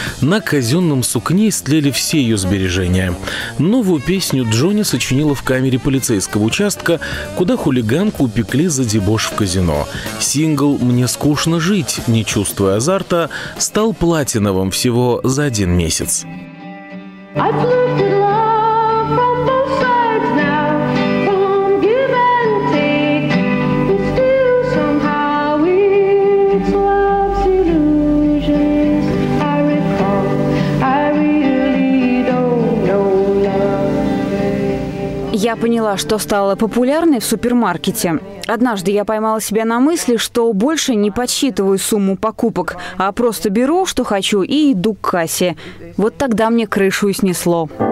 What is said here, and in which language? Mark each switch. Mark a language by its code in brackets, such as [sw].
[ru] На казенном сукне истлели все ее сбережения. Новую песню Джонни сочинила в камере полицейского участка, куда хулиганку упекли за дебош в казино. Сингл «Мне скучно жить, не чувствуя азарта» стал платиновым всего за один месяц. [en] I've lived in love from both sides now, from give and take, but still somehow it's love's illusions. I recall, I really don't know love. [ru] Я поняла, что стала популярной в супермаркете. Однажды я поймала себя на мысли, что больше не подсчитываю сумму покупок, а просто беру, что хочу, и иду к кассе. Вот тогда мне крышу и снесло.